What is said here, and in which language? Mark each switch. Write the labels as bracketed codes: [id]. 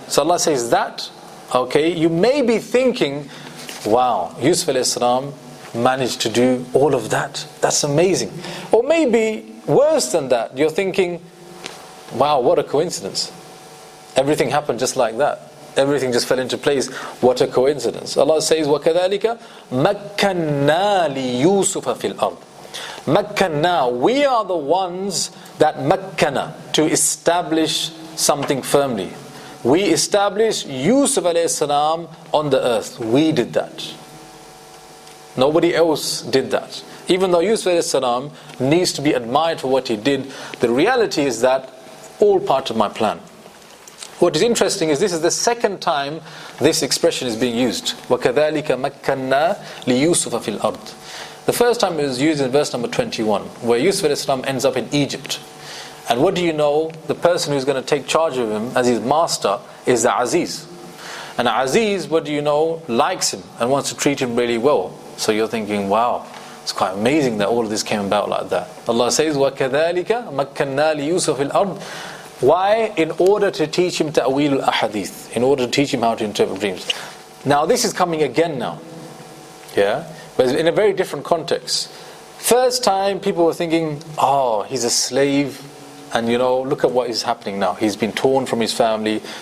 [en] So Allah says that, okay, you may be thinking, wow, Yusuf alayhi salam managed to do all of that. That's amazing. Or maybe worse than that, you're thinking, wow, what a coincidence. Everything happened just like that. Everything just fell into place. What a coincidence. Allah says, [ar] وَكَذَلِكَ مَكَّنَّا لِيُوسُفَ فِي الْأَرْضِ. مَكَّنَّا, [en] we are the ones that [ar] مَكَّنَا, [en] to establish something firmly. We established Yusuf alayhi salam on the earth. We did that. Nobody else did that. Even though Yusuf alayhi salam needs to be admired for what he did, the reality is that all part of my plan. What is interesting is this is the second time this expression is being used. [ar] وَكَذَلِكَ مَكَّنَّا لِيُوسُفَ فِي الْأَرْضِ. [en] The first time it was used in verse number 21, where Yusuf alayhi salam ends up in Egypt. And what do you know? The person who's going to take charge of him as his master is the Aziz. And Aziz, what do you know, likes him and wants to treat him really well. So you're thinking, wow, it's quite amazing that all of this came about like that. Allah says, [ar] وَكَذَلِكَ مَكَّنَّا لِيُوسُفِ الْأَرْضِ. [en] Why? In order to teach him ta'wil al-ahadith. In order to teach him how to interpret dreams. Now this is coming again now. Yeah? But in a very different context. First time people were thinking, oh, he's a slave. And you know, look at what is happening now. He's been torn from his family.